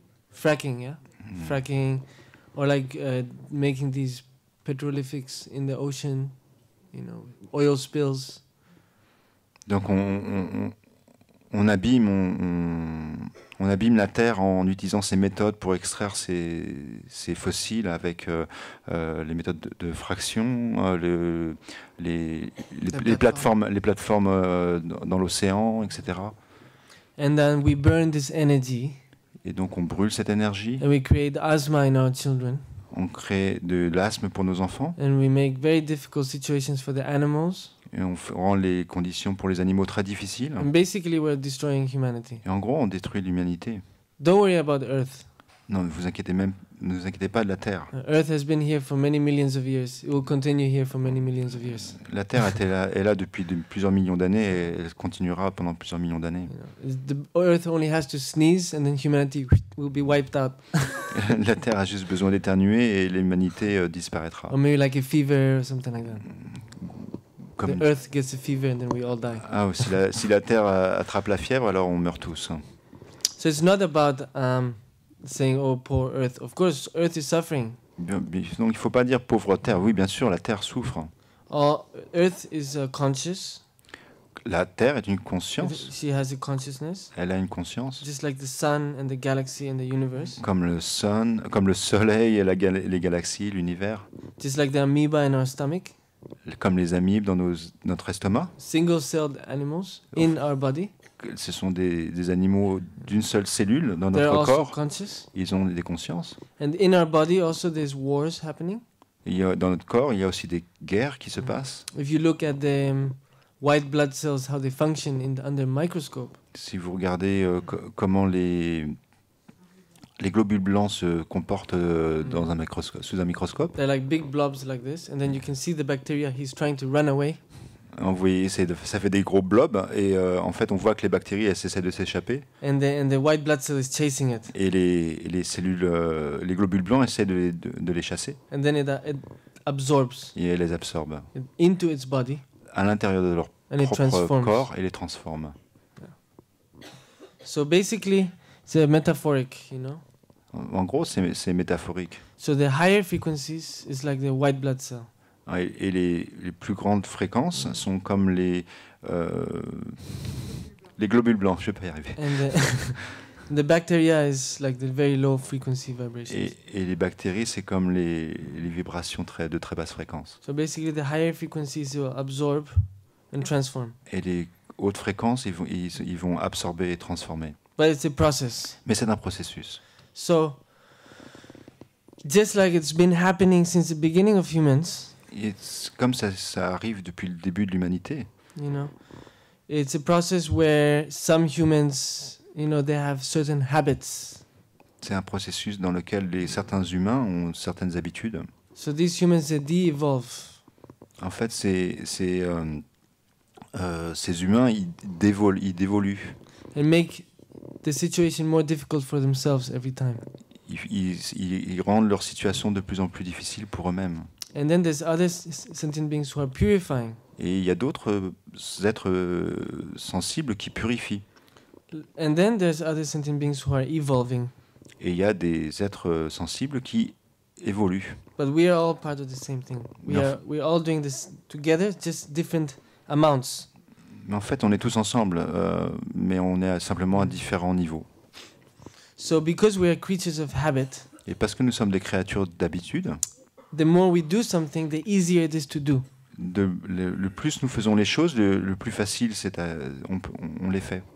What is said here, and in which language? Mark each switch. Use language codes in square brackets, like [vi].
[en] Fracking, yeah. Mm. Fracking or making these petrolifics in the ocean, you know, oil spills. [fr] Donc on abîme la terre en utilisant ces méthodes pour extraire ces fossiles avec les méthodes de fraction, les plateformes dans l'océan, etc. [en] And then we burn this energy. [fr] Et donc on brûle cette énergie. [en] And we create asthma in our children. [fr] On crée de l'asthme pour nos enfants. [en] And we make very difficult situations for the animals. [fr] Et on rend les conditions pour les animaux très difficiles. [en] And basically we're destroying humanity. [fr] Et en gros, on détruit l'humanité. [en] Don't worry about Earth. [fr] Non, ne vous inquiétez pas de la Terre. [en] Earth has been here for many millions of years. It will continue here for many millions of years. [fr] La Terre est là depuis plusieurs millions d'années et elle continuera pendant plusieurs millions d'années. [en] The Earth only has to sneeze and then humanity will be wiped out. [fr] La Terre a juste besoin d'éternuer et l'humanité disparaîtra. [en] Or maybe like a fever or something like that. The Earth gets a fever and then we all die. [fr] Ah, si la Terre attrape la fièvre, alors on meurt tous. [en] So it's not about saying, oh, poor Earth. Of course, Earth is suffering. [fr] Donc il ne faut pas dire pauvre Terre. Oui, bien sûr, la Terre souffre. [en] Earth is conscious. [fr] La Terre est une conscience. [en] She has a consciousness. [fr] Elle a une conscience. [en] Just like the sun and the galaxy and the universe. [fr] Comme le soleil et les galaxies, l'univers. [en] Just like the amoeba in our stomach. [fr] Comme les amibes dans notre estomac. [en] Single-celled animals in our body. [fr] Ce sont des animaux d'une seule cellule dans [en] They're [fr] notre corps. [en] Conscious. [fr] Ils ont des consciences. [en] And in our body also there's wars happening. [fr] Dans notre corps, il y a aussi des guerres qui se passent. [en] If you look at the white blood cells, how they function in the, under microscope. [fr] Si vous regardez comment les globules blancs se comportent dans un microscope, sous un microscope. [en] They're like big blobs like this, and then you can see the bacteria. He's trying to run away. [fr] Vous voyez, ça fait des gros blobs, et en fait, on voit que les bactéries elles essaient de s'échapper. [en] And the white blood cell is chasing it. [fr] Et les globules blancs essaient de les chasser. [en] And then it absorbs. [fr] Et elle les absorbe. [en] Into its body. [fr] À l'intérieur de leur propre corps et les transforme. [en] So basically, [fr] c'est [en] metaphoric, you know. [fr] En gros, c'est métaphorique. [en] So the higher frequencies is like the white blood cell. [fr] Et les plus grandes fréquences sont comme les globules blancs. Je ne vais pas y arriver. [en] And the bacteria is like the very low frequency vibrations. [fr] Et les bactéries, c'est comme les vibrations de très basse fréquence. [en] So basically, the higher frequencies will absorb and transform. [fr] Et les hautes fréquences, ils vont absorber et transformer. [en] But it's a process. [fr] Mais c'est un processus. [en] So, just like it's been happening since the beginning of humans. [fr] It's comme ça arrive depuis le début de l'humanité. [en] You know, it's a process where some humans, you know, they have certain habits. [fr] C'est un processus dans lequel certains humains ont certaines habitudes. [en] So these humans, they de-evolve. [fr] En fait, ces humains, ils dévoluent. [en] And make the situation more difficult for themselves every time. [fr] Ils rendent leur situation de plus en plus difficile pour eux-mêmes. [en] And then there's other sentient beings who are purifying. [fr] Et il y a d'autres êtres sensibles qui purifient. [en] And then there's other sentient beings who are evolving. [fr] Et il y a des êtres sensibles qui évoluent. [en] But we are all part of the same thing. We're all doing this together, just different amounts. [fr] Mais en fait, on est tous ensemble, mais on est simplement à différents niveaux. [en] So because we are creatures of habit. [fr] Et parce que nous sommes des créatures d'habitude. [en] The more we do something, the easier it is to do. [fr] Le plus nous faisons les choses, le plus facile c'est on les fait.